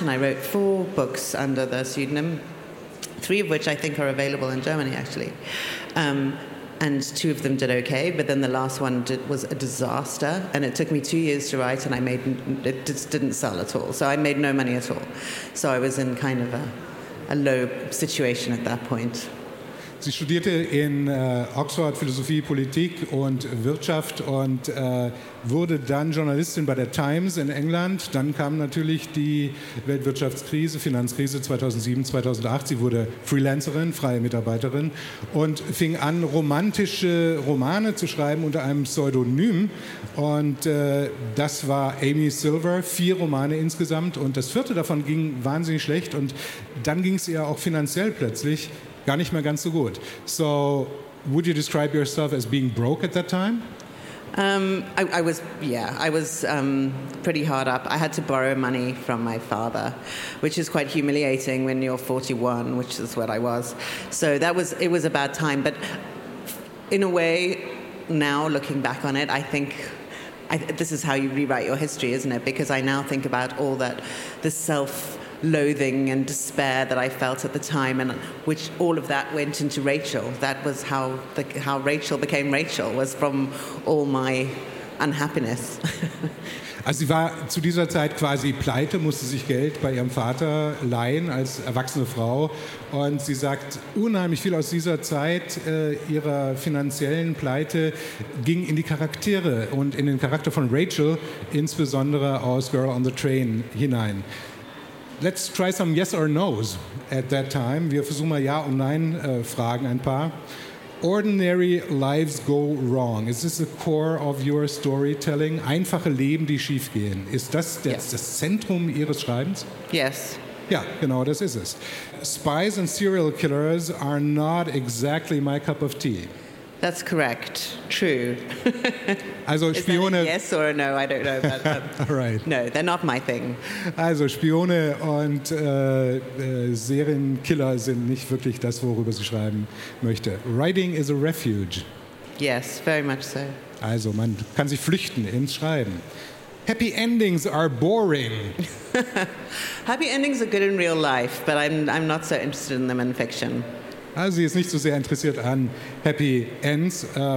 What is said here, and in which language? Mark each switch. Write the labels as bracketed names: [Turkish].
[English] And I wrote four books under the pseudonym, three of which I think are available in Germany, actually. And two of them did okay, but then the last one was a disaster, and it took me 2 years to write, and it just didn't sell at all. So I made no money at all. So I was in kind of a low situation at that point. [German] Sie studierte in Oxford Philosophie, Politik und Wirtschaft, und wurde dann Journalistin bei der Times in England. Dann kam natürlich die Weltwirtschaftskrise, Finanzkrise 2007, 2008. Sie wurde Freelancerin, freie Mitarbeiterin und fing an, romantische Romane zu schreiben unter einem Pseudonym. Und das war Amy Silver, 4 Romane insgesamt. Und das 4. davon ging wahnsinnig schlecht. Und dann ging es ihr auch finanziell plötzlich gar nicht mehr ganz so gut. [English] So, would you describe yourself as being broke at that time? I was pretty hard up. I had to borrow money from my father, which is quite humiliating when you're 41, which is what I was. So it was a bad time. But in a way, now looking back on it, I think this is how you rewrite your history, isn't it? Because I now think about all that, the self-loathing and despair that I felt at the time, and which all of that went into Rachel. That was how Rachel became Rachel, was from all my unhappiness. [German] Also sie war zu dieser Zeit quasi pleite, musste sich Geld bei ihrem Vater leihen als erwachsene Frau. Und sie sagt, unheimlich viel aus dieser Zeit ihrer finanziellen Pleite ging in die Charaktere und in den Charakter von Rachel, insbesondere aus Girl on the Train hinein. [English] Let's try some yes or no's at that time. [German] Wir versuchen mal Ja und Nein Fragen ein paar. [English] Ordinary lives go wrong. Is this the core of your storytelling? [German] Einfache Leben, die schiefgehen. Ist das das Zentrum Ihres Schreibens? [English] Yes. [German] Ja, genau, das ist es. [English] Spies and serial killers are not exactly my cup of tea. That's correct. True. [German] Also Spione. [English] Is that a yes or a no? I don't know. All right. No, they're not my thing. [German] Also Spione und Serienkiller sind nicht wirklich das, worüber sie schreiben möchte. [English] Writing is a refuge. Yes, very much so. [German] Also man kann sich flüchten ins Schreiben. [English] Happy endings are boring. Happy endings are good in real life, but I'm not so interested in them in fiction. [German] Also sie ist nicht so sehr interessiert an Happy Ends.